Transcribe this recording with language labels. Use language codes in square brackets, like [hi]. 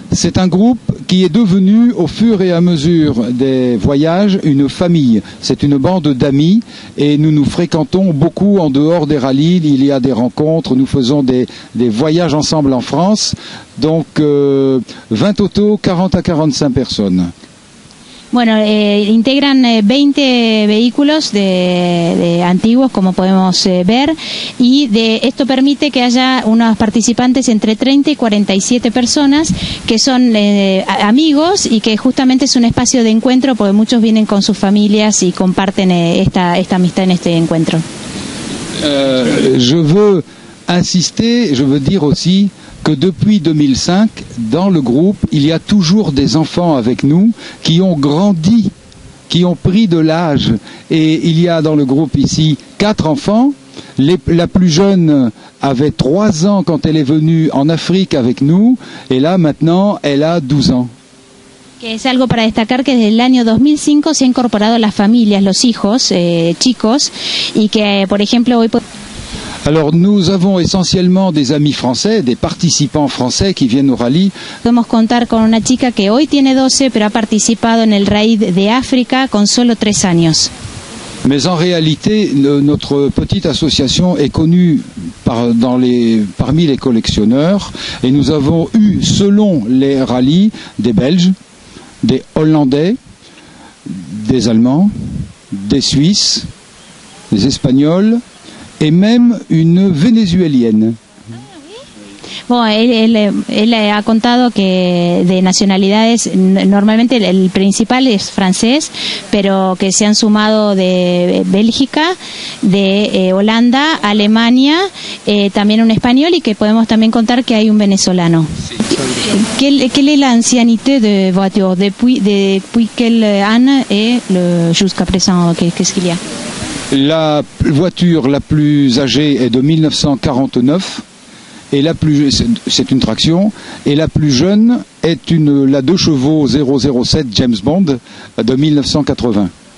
[fr] C'est un groupe qui est devenu au fur et à mesure des voyages une famille. C'est une bande d'amis et nous nous fréquentons beaucoup en dehors des rallyes. Il y a des rencontres, nous faisons des voyages ensemble en France. Donc 20 auto, 40 à 45 personnes. [es] Bueno, integran 20 vehículos de antiguos, como podemos ver, y esto permite que haya unos participantes entre 30 y 47 personas que son amigos y que justamente es un espacio de encuentro, porque muchos vienen con sus familias y comparten esta amistad en este encuentro. [fr] Je veux insister, je veux dire aussi que depuis 2005, dans le groupe, il y a toujours des enfants avec nous qui ont grandi, qui ont pris de l'âge. Et il y a dans le groupe ici 4 enfants. La plus jeune avait 3 ans quand elle est venue en Afrique avec nous. Et là, maintenant, elle a 12 ans. [es] Que es algo para destacar que desde el año 2005 se han incorporado las familias, los hijos, chicos, y que, por ejemplo, hoy... [fr] Alors nous avons essentiellement des amis français, des participants français qui viennent au rallye. [es] Podemos contar con una chica que hoy tiene 12, pero ha participado en el raid de África con solo 3 años. [fr] Mais en réalité, notre petite association est connue parmi les collectionneurs et nous avons eu, selon les rallyes, des Belges, des Hollandais, des Allemands, des Suisses, des Espagnols, et même une vénézuélienne. [es] Bueno, él ha contado que de nacionalidades, normalmente el principal es francés, pero que se han sumado de Bélgica, de Holanda, Alemania, también un español, y que podemos también contar que hay un venezolano. [fr] ¿Qué es la ancianité de voiture depuis quel an et jusqu'à présent? ¿Qué es qu'il y a? La voiture la plus âgée est de 1949. et la plus c'est une traction et la plus jeune est une la 2 chevaux 007 James Bond de 1980.